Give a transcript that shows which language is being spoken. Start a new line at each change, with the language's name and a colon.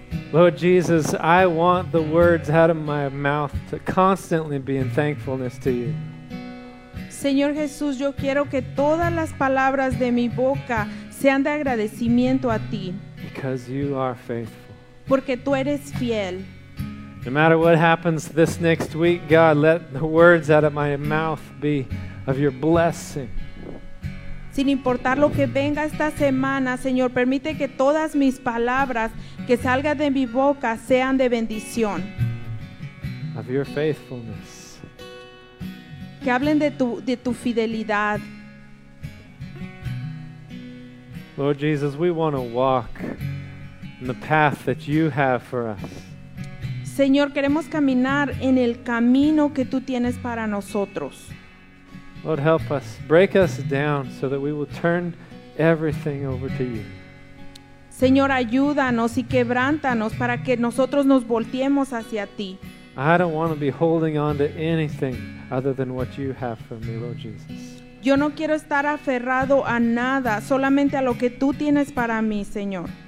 English: Lord Jesus, I want the words out of my mouth to constantly be in thankfulness to you.
Spanish: Señor Jesús, yo quiero que todas las palabras de mi boca sean de agradecimiento a ti.
English: Because you are faithful.
Spanish: Porque tú eres fiel.
English: No matter what happens this next week, God, let the words out of my mouth be of your blessing.
Spanish: Sin importar lo que venga esta semana, Señor, permite que todas mis palabras que salgan de mi boca sean de bendición.
English: Of your faithfulness.
Spanish: Que hablen de tu fidelidad.
English: Lord Jesus, we want to walk in the path that you have for us.
Spanish: Señor, queremos caminar en el camino que tú tienes para nosotros.
English: Lord, help us, break us down so that we will turn everything over to you.
Spanish: Señor, ayúdanos y quebrántanos para que nosotros nos volteemos hacia ti.
English: I don't want to be holding on to anything other than what you have for me, Lord Jesus.
Spanish: Yo no quiero estar aferrado a nada, solamente a lo que tú tienes para mí, Señor.